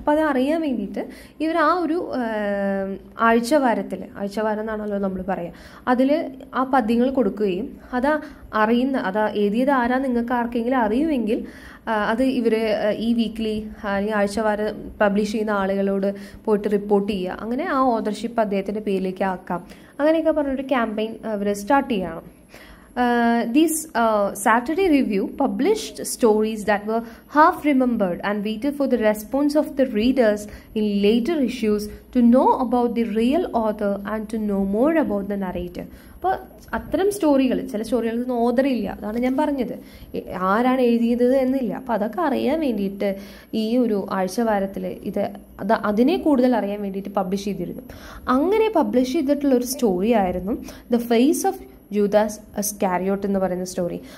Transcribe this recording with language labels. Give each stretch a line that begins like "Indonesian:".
Malayalam: അപ്പോൾ അത് അറിയാൻ വേണ്ടിയിട്ട് ഇവർ ആ ഒരു ആഴ്ചവാരത്തിൽ, ആഴ്ചവാരം എന്നാണല്ലോ നമ്മൾ പറയുക, അതിൽ ആ പദ്യങ്ങൾ കൊടുക്കുകയും അതാ അറിയുന്ന അതാ എഴുതിയത് ആരാ നിങ്ങൾക്ക് ആർക്കെങ്കിലും അറിയുമെങ്കിൽ അത് ഇവർ ഈ വീക്ക്ലി അല്ലെങ്കിൽ ആഴ്ചവാരം പബ്ലിഷ് ചെയ്യുന്ന ആളുകളോട് പോയിട്ട് റിപ്പോർട്ട് ചെയ്യുക, അങ്ങനെ ആ ഓദർഷിപ്പ് അദ്ദേഹത്തിൻ്റെ പേരിലേക്ക് ആക്കാം, അങ്ങനെയൊക്കെ പറഞ്ഞൊരു ക്യാമ്പയിൻ അവർ സ്റ്റാർട്ട് ചെയ്യണം.
English: These Saturday Review published stories that were half remembered and waited for the response of the readers in later issues to know about the real author and to know more about the narrator.
Malayalam: അപ്പോൾ അത്തരം സ്റ്റോറികൾ, ചില സ്റ്റോറികളിൽ നിന്ന് author ഇല്ല, അതാണ് ഞാൻ പറഞ്ഞത് ആരാണ് എഴുതിയത് എന്നില്ല. അപ്പോൾ അതൊക്കെ അറിയാൻ വേണ്ടിയിട്ട് ഈ ഒരു ആഴ്ചവാരത്തിൽ ഇത് അത് അതിനെ കൂടുതൽ അറിയാൻ വേണ്ടിയിട്ട് പബ്ലിഷ് ചെയ്തിരുന്നു. അങ്ങനെ പബ്ലിഷ് ചെയ്തിട്ടുള്ള ഒരു സ്റ്റോറി ആയിരുന്നു ദ ഫേസ് ഓഫ് ജൂദാസ് ഇസ്കാരിയോട്ട് എന്ന് പറയുന്ന സ്റ്റോറി.